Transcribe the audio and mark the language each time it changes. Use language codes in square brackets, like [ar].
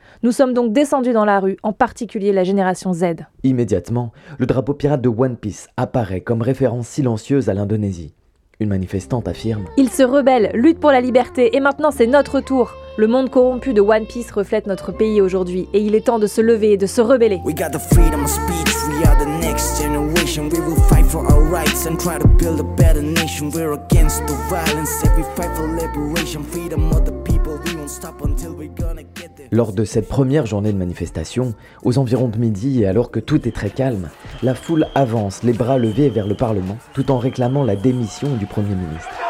[fr] Nous sommes donc descendus dans la rue, en particulier la génération Z. Immédiatement, le drapeau pirate de One Piece apparaît comme référence silencieuse à l'Indonésie. Une manifestante affirme « Ils se rebellent, luttent pour la liberté, et maintenant c'est notre tour !» Le monde corrompu de One Piece reflète notre pays aujourd'hui, et il est temps de se lever et de se rebeller. [en] We got the freedom of speech, we are the next generation. We will fight for our rights and try to build a better nation. We're against the violence, every fight for liberation, freedom of the people. We won't stop until we're gonna get there. [fr] Lors de cette première journée de manifestation, aux environs de midi et alors que tout est très calme, la foule avance, les bras levés vers le Parlement, tout en réclamant la démission du Premier ministre.